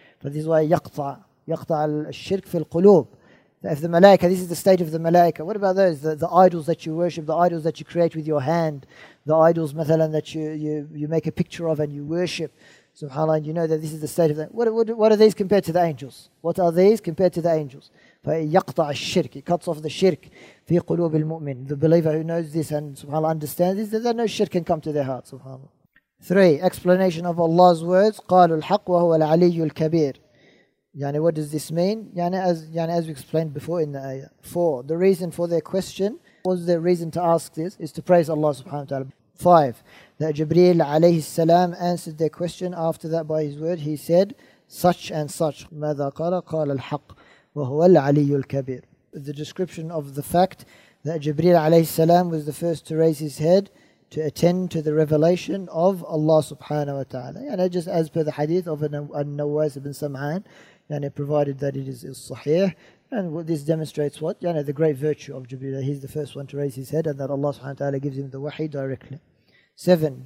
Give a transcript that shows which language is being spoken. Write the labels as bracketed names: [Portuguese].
[English] But this is why yaqta al-shirk fil qulub. If the malaika, this is the state of the malaika, what about those, the idols that you worship, the idols that you create with your hand, the idols mathalan that you make a picture of and you worship, subhanAllah, and you know that this is the state of that. What are these compared to the angels? What are these compared to the angels? [Arabic] فَيَقْطَعَ الشِّرْكِ. [English] It cuts off the shirk [Arabic] في قلوب المؤمن. [English] The believer who knows this and subhanAllah understands this, that no shirk can come to their heart, subhanAllah. 3. Explanation of Allah's words, [Arabic] قَالُوا الْحَقُّ وَهُوَ الْعَلِيُّ الْكَبِيرُ. [English] Yani, what does this mean? As we explained before in the ayah. 4. The reason for their question, what's the reason to ask this, is to praise Allah subhanahu wa ta'ala. 5. That Jibreel alayhi salam answered their question after that by his word. He said, such and such. [Arabic] ماذا قال؟ قال الحق وهو العلي الكبير. [English] The description of the fact that Jibreel alayhi salam was the first to raise his head to attend to the revelation of Allah subhanahu wa ta'ala. And just as per the hadith of An-Nawas ibn Sam'an, and it provided that it is sahih. And this demonstrates what? The great virtue of Jibreel. He's the first one to raise his head and that Allah subhanahu wa ta'ala gives him the wahi directly. 7.